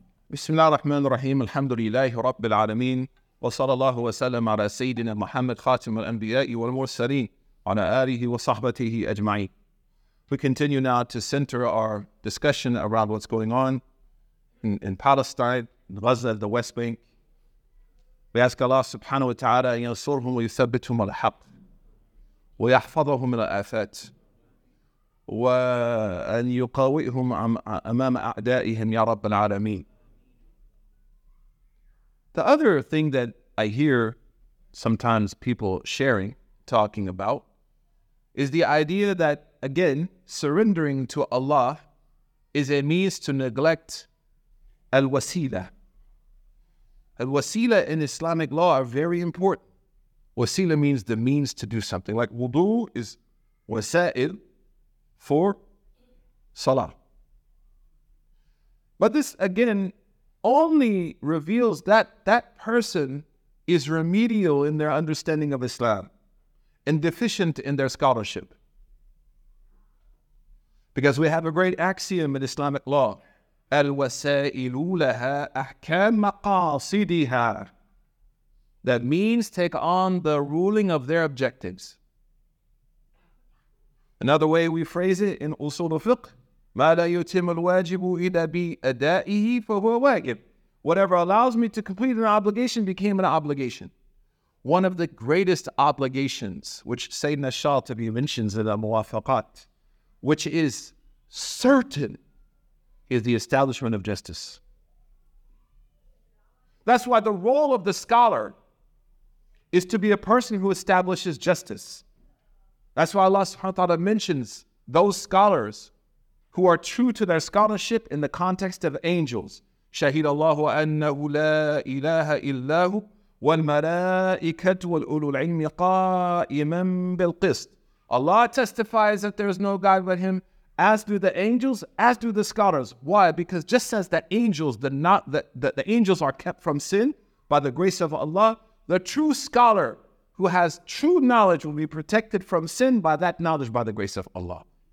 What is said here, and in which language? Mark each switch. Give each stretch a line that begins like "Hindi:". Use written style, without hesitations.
Arabic: بسم الله الرحمن الرحيم الحمد لله رب العالمين وصلى الله وسلم على سيدنا محمد خاتم الأنبياء والمرسلين وعلى آله وصحبته أجمعين.
English: We continue now to center our discussion around what's going on in Palestine, in Gaza, the West Bank. We ask Allah
Arabic: سبحانه وتعالى أن ينصرهم ويثبتهم على الحق ويحفظهم من الآفات وأن يقاويهم أمام أعدائهم يا رب العالمين.
English: The other thing that I hear sometimes people sharing, talking about, is the idea that, again, surrendering to Allah is a means to neglect al-wasila. Al-wasila in Islamic law are very important. Wasila means the means to do something. Like wudu is wasail for salah. But this, again, only reveals that that person is remedial in their understanding of Islam and deficient in their scholarship. Because we have a great axiom in Islamic law.
Arabic: Al-wasailu laha ahkam maqasidiha.
English: That means take on the ruling of their objectives.
Arabic: Another way we phrase it in usul al-fiqh, ما لا يتم الواجب إلا بأدائه فهو واجب.
English: Whatever allows me to complete an obligation became an obligation. One of the greatest obligations, which Sayyidina Shatibi mentions in the Muwafaqat, which is certain, is the establishment of justice. That's why the role of the scholar is to be a person who establishes justice. That's why Allah subhanahu wa ta'ala mentions those scholars who are true to their scholarship in the context of angels.
Arabic: شهد الله أنه لا إله إلا هو والملائكة والأولو العلم قائما بالقسط.
English: Allah testifies that there is no God but Him, as do the angels, as do the scholars. Why? Because just as the angels, the angels are kept from sin, by the grace of Allah, the true scholar who has true knowledge will be protected from sin by that knowledge by the grace of Allah.